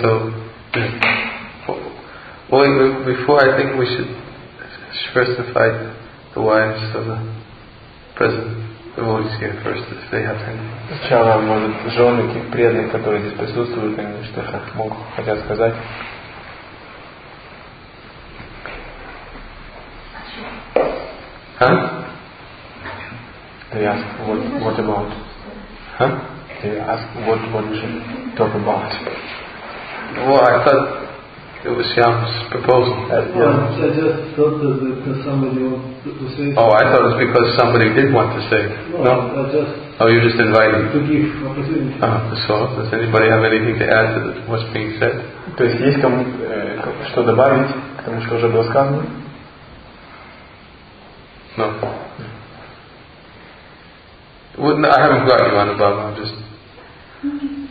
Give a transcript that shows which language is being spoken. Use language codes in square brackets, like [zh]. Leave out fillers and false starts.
[en] So, well, before I think we should specify the wives of the present devotees here first, if they have any. [ru] Сначала, может, жены тех преданных, которые здесь присутствуют, они что-то могут хотят сказать. Huh? [en] They ask what about? Huh? They ask what we should talk about. Well, I thought it was Yam's proposal. I just thought that because somebody wanted to say something. Oh, I thought it was because somebody did want to say. No, no? I just... Oh, you're just inviting. To give opportunity. So, does anybody have anything to add to what's being said? [ru] То есть есть кому что добавить к тому, что уже было сказано? [en] No. Well, no, I haven't got you on the bottom, I'm just...